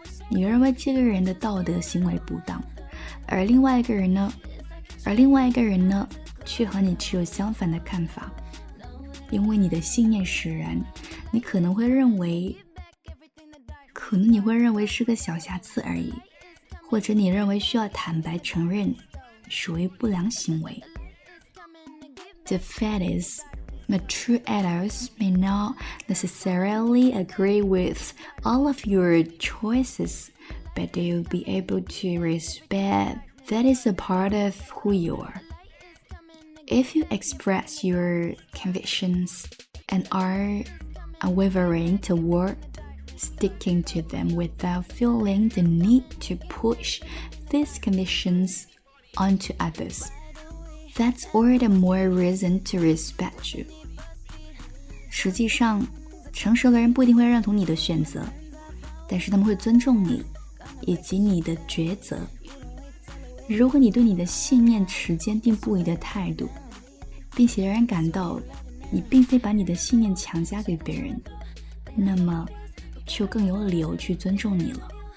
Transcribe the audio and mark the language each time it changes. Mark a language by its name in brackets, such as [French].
[Chinese] 你认为这个人的道德行为不当，而另外一个人呢却和你持有相反的看法。因为你的信念使然，你可能会认为是个小瑕疵而已，或者你认为需要坦白承认属于不良行为。 [English] The fact is, mature adults may not necessarily agree with all of your choices, but they'll be able to respect that is a part of who you are. If you express your convictions and are unwavering toward sticking to them without feeling the need to push these convictions onto others,That's all the more reason to respect you. [Chinese] 实际上，成熟的人不一定会认同你的选择，但是他们会尊重你，以及你的抉择。如果你对你的信念持坚定不移的态度，并且让人感到你并非把你的信念强加给别人，那么就更有理由去尊重你了。